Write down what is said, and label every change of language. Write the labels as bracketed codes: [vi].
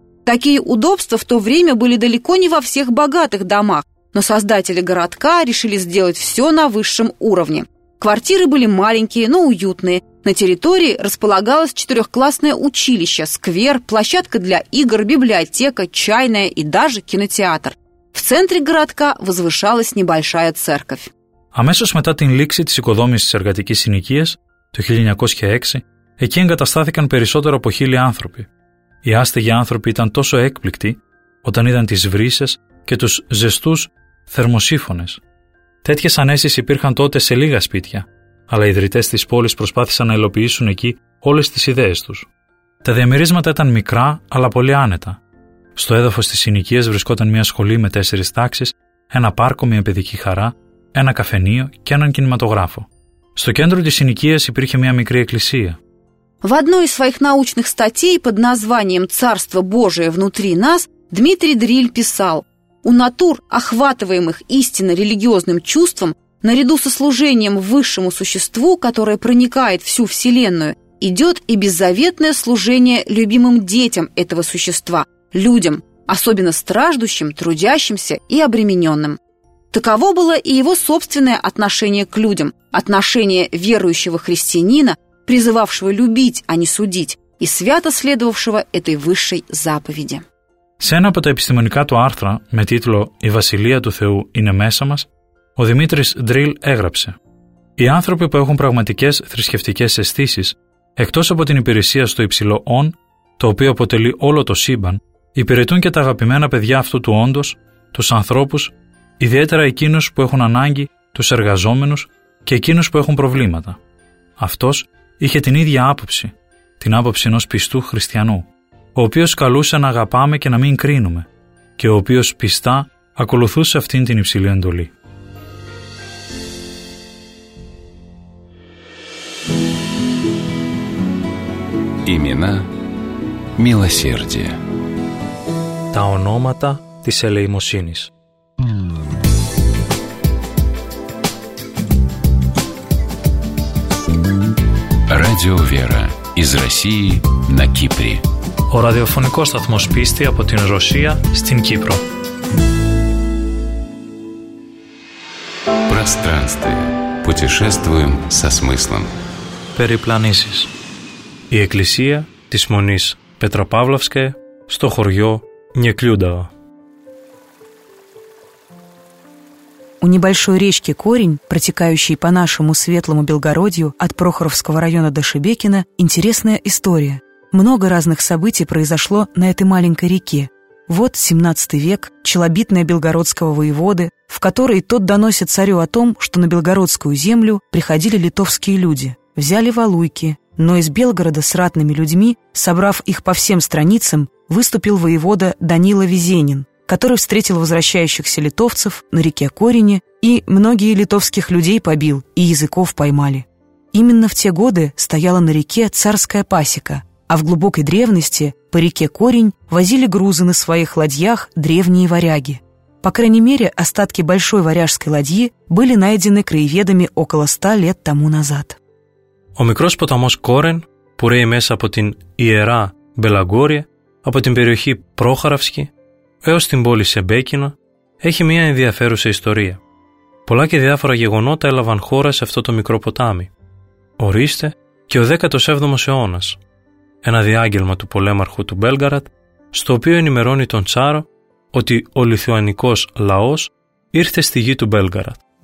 [ru] Такие удобства в то время были далеко не во всех богатых домах, но создатели городка решили сделать все на высшем уровне. Квартиры были маленькие, но уютные. На территории располагалось четырехклассное училище, сквер, площадка для игр, библиотека, чайная и даже кинотеатр. В центре городка возвышалась небольшая церковь. [el] Αμέσως μετά την λήξη της οικοδόμησης της εργατικής συνοικίας, το 1906, εκεί εγκαταστάθηκαν περισσότερο από 1000 άνθρωποι. Οι άστεγοι άνθρωποι ήταν τόσο έκπληκτοι όταν είδαν τις βρύσες και τους ζεστούς θερμοσύφωνες. Τέτοιες ανέσεις υπήρχαν τότε σε λίγα σπίτια, αλλά οι ιδρυτές της πόλης προσπάθησαν να υλοποιήσουν εκεί όλες τις ιδέες τους. Τα διαμερίσματα ήταν μικρά, αλλά πολύ άνετα. Στο έδαφος της συνοικίας βρισκόταν μια σχολή με 4 τάξεις, ένα πάρκο, μια παιδική χαρά, ένα καφενείο και έναν κινηματογράφο. Στο κέντρο της συνοικίας υπήρχε μια μικρή εκκλησία. [ru] В одной из своих научных статей под названием «Царство Божие внутри нас» Дмитрий Дриль писал: «У натур, охватываемых истинно религиозным чувством, наряду со служением высшему существу, которое проникает всю Вселенную, идет и беззаветное служение любимым детям этого существа, людям, особенно страждущим, трудящимся и обремененным». Таково было и его собственное отношение к людям, отношение верующего христианина, призывавшего любить, а не судить, и свято следовавшего этой высшей заповеди. [el] Σε ένα από τα επιστημονικά του άρθρα με τίτλο «Η Βασιλεία του Θεού είναι μέσα μας», ο Δημήτρης Ντρίλ έγραψε: «Οι άνθρωποι που έχουν πραγματικές θρησκευτικές αισθήσεις, εκτός από την υπηρεσία στο υψηλό «Ον», το οποίο αποτελεί όλο το σύμπαν, υπηρετούν και τα αγαπημένα παιδιά αυτού του όντος, τους ανθρώπους, ιδιαίτερα εκείνους που έχουν ανάγκη, τους εργαζόμενους και εκείνους που έχουν προβλήματα». Αυτός είχε την ίδια άποψη, την άποψη ενός πιστού χριστιανού, ο οποίος καλούσε να αγαπάμε και να μην κρίνουμε και ο οποίος πιστά ακολουθούσε αυτήν την υψηλή εντολή. [ru] Имена милосердия. [el] Τα ονόματα της ελεημοσύνης. [ru] Радио Вера из России на Кипре. [el] Ο ραδιοφωνικός σταθμός πίστη από την Ρωσία στην Κύπρο. [ru] Пространстве. Путешествуем со смыслом. [el] Περιπλανήσεις. Η εκκλησία της Μονής Πετροπαύλαυσκε στο χωριό Νιεκλιούνταο. [ru] У небольшой речки Корень, протекающей по нашему светлому Белгородью от Прохоровского района до Шебекино, интересная история. Много разных событий произошло на этой маленькой реке. Вот 17 век, челобитное белгородского воеводы, в которой тот доносит царю о том, что на белгородскую землю приходили литовские люди, взяли валуйки, но из Белгорода с ратными людьми, собрав их по всем страницам, выступил воевода Данила Везенин, который встретил возвращающихся литовцев на реке Корине и многие литовских людей побил и языков поймали. Именно в те годы стояла на реке царская пасека – А в глубокой древности по реке Корень возили грузы на своих ладьях древние варяги. По крайней мере, остатки большой варяжской ладьи были найдены краеведами около 100 лет тому назад. [el] Ο μικρός ποταμός Κόρεν που ρέει μέσα από την Ιερά Μπελαγκόρια, από την περιοχή Πρόχαραυσκη έως την πόλη Σεμπέκινα, έχει μια ενδιαφέρουσα ιστορία. Πολλά και διάφορα γεγονότα έλαβαν χώρα σε αυτό το μικρό ποτάμι. Ορίστε και ο 17ος αιώνας. Ένα διάγγελμα του πολέμαρχου του Μπέλγαραντ, στο οποίο ενημερώνει τον Τσάρο ότι ο λιθουανικός λαός ήρθε στη γη του Μπέλγαραντ.